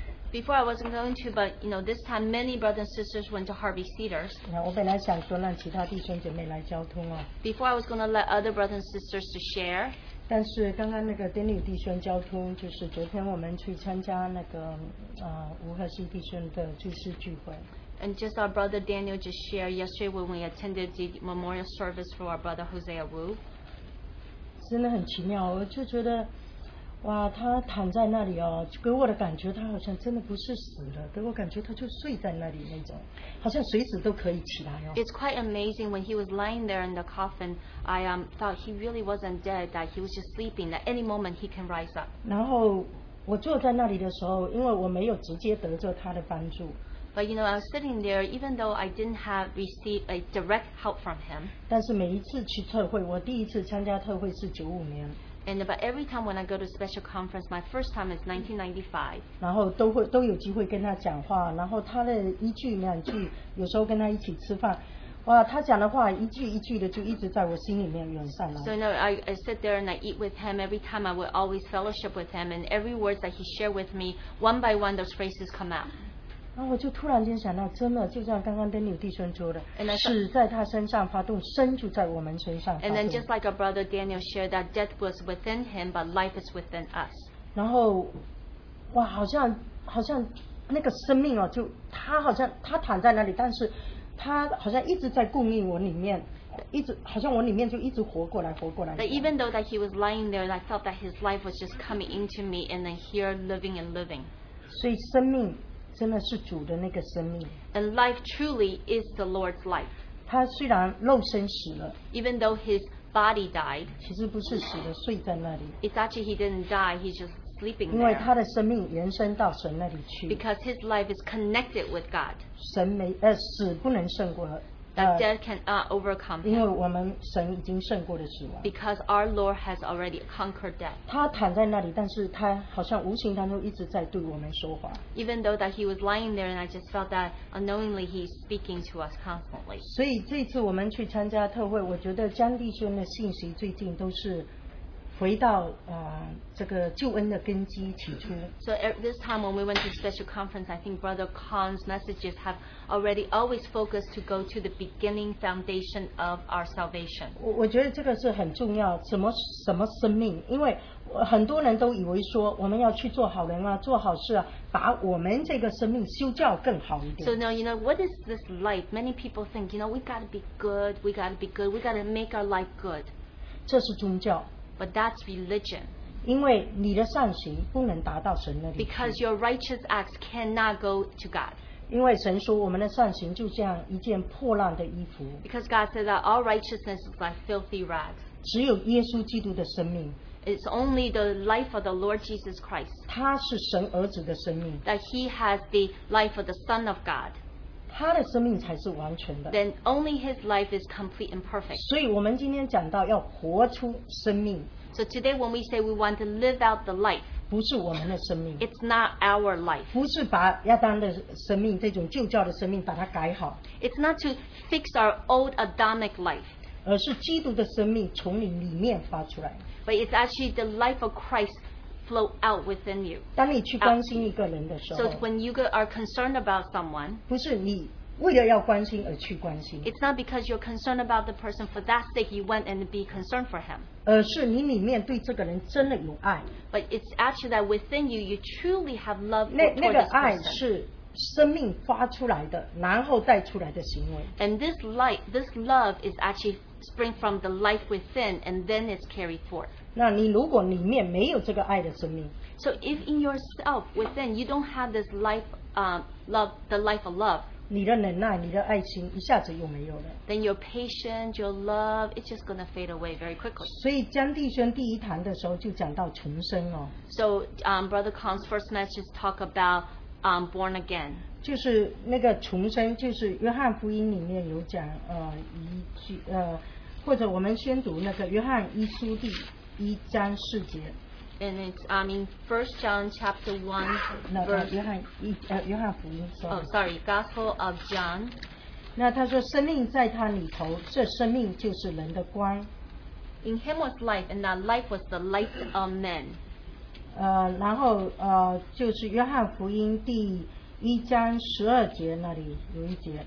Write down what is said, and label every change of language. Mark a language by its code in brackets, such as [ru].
[en] Before I wasn't going to, but you know, this time many brothers and sisters went to Harvey Cedars. [zh] 我本来想说让其他弟兄姊妹来交通哦。 [en] Before I was going to let other brothers and sisters to share. [zh] 但是刚刚那个丁女弟兄交通，就是昨天我们去参加那个吴和兴弟兄的聚事聚会。 [en] And just our brother Daniel just shared yesterday when we attended the memorial service for our brother Hosea Wu. [zh] 真的很奇妙，我就觉得，哇，他躺在那里哦，给我的感觉他好像真的不是死的，给我感觉他就睡在那里那种，好像随时都可以起来哦。 [en] It's quite amazing when he was lying there in the coffin. I thought he really wasn't dead. That he was just sleeping. That any moment he can rise up. [zh] 然后我坐在那里的时候，因为我没有直接得着他的帮助。 [en] But you know, I was sitting there, even though I didn't have received a direct help from him. [zh] 但是每一次去特会，我第一次参加特会是九五年。 [en] And about every time when I go to special conference, my first time is 1995. [zh] 然后都有机会跟他讲话，然后他的一句两句，有时候跟他一起吃饭。 [en] So you know, I sit there and I eat with him. Every time I would always fellowship with him, and every word that he shared with me, one by one, those phrases come out. [zh] 然后我就突然间想到，真的就像刚刚丹尼尔弟兄说的，死在他身上发动，生就在我们身上发动。 [en] And then just like our brother Daniel shared that death was within him, but life is within us. [zh] 然后，哇，好像那个生命哦，就他好像他躺在那里，但是。他好像一直在供应我里面，一直好像我里面就一直活过来，活过来。 [en] But even though that he was lying there, I felt that his life was just coming into me and then here living and living. [zh] 所以生命真的是主的那个生命。 [en] And life truly is the Lord's life. [zh] 他虽然肉身死了 [en] ，even though his body died， [zh] 其实不是死的，睡在那里。 [en] It's actually he didn't die. He just sleeping there. [zh] 因为他的生命延伸到神那里去。 [en] Because his life is connected with God. [zh] 神没死不能胜过。 [en] That death cannot overcome. Him. [zh] 因为我们神已经胜过了死亡。 [en] Because our Lord has already conquered death. [zh] 他躺在那里，但是他好像无形当中一直在对我们说话。 [en] Even though that he was lying there, and I just felt that unknowingly he's speaking to us constantly. [zh] 所以这次我们去参加特会，我觉得江弟兄的信息最近都是。回到这个救恩的根基起初。 [en] So at this time when we went to special conference, I think Brother Khan's messages have already always focused to go to the beginning foundation of our salvation. [zh] 我觉得这个是很重要，什么生命？因为很多人都以为说我们要去做好人啊，做好事啊，把我们这个生命修教更好一点。 [en] So now you know what is this life? Many people think you know we gotta be good, we gotta be good, we gotta make our life good. [zh] 这是宗教。 [en] But that's religion. [zh] 因为你的善行不能达到神那里去。 [en] Because your righteous acts cannot go to God. [zh] 因为神说我们的善行就像一件破烂的衣服。 [en] Because God said that all righteousness is like filthy rags. [zh] 只有耶稣基督的生命。 [en] It's only the life of the Lord Jesus Christ. [zh] 他是神儿子的生命。 [en] That he has the life of the Son of God. [zh] 他的生命才是完全的。 [en] Then only his life is complete and perfect. [zh] 所以我们今天讲到要活出生命。 [en] So today when we say we want to live out the life, [zh] 不是我们的生命。 [en] It's not our life. [zh] 不是把亚当的生命，这种旧教的生命把它改好。 [en] It's not to fix our old Adamic life. [zh] 而是基督的生命从你里面发出来。 [en] But it's actually the life of Christ flow out within you. [zh] 当你去关心一个人的时候 [en] ，So when you are concerned about someone, [zh] 不是你为了要关心而去关心。 [en] It's not because you're concerned about the person for that sake you went and be concerned for him. [zh] 而是你里面对这个人真的有爱。 [en] But it's actually that within you, you truly have love. [zh] 那个爱是生命发出来的，然后带出来的行为。 [en] And this light, this love is actually spring from the life within, and then it's carried forth. [zh] 那你如果里面没有这个爱的生命 [en] ，So if in yourself within you don't have this life, love, the life of love, [zh] 你的忍耐、你的爱心一下子又没有了。 [en] Then your patience, your love, it's just gonna fade away very quickly. [zh] 所以江弟兄第一堂的时候就讲到重生哦。 [en] So, Brother Khan's first message talk about, born again. [zh] 就是那个重生，就是约翰福音里面有讲一句或者我们先读那个约翰一书第。一章四节 [en] and it's I mean First John chapter 1 no, verse [zh] 约翰福音 [en] sorry Gospel of John [zh] 那他说生命在他里头这生命就是人的光 [en] in him was life, and that life was the light of men. [zh] 然后就是约翰福音第一章十二节那里有一节。